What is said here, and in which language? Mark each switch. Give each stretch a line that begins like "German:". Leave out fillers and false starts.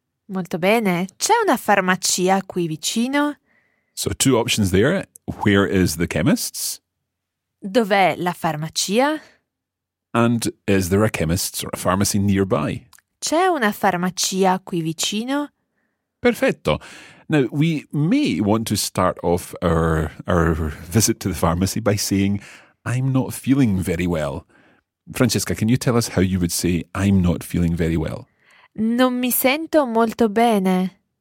Italian: Molto bene, c'è una farmacia qui vicino?
English: So two options there, where is the chemist's?
Italian: Dov'è la farmacia?
English: And is there a chemist's or a pharmacy nearby?
Italian: C'è una farmacia qui vicino? Perfetto.
English: Now, we may want to start off our visit to the pharmacy by saying, I'm not feeling very well. Francesca, can you tell us how you would say, I'm not feeling very well?
Italian: Non mi sento molto bene.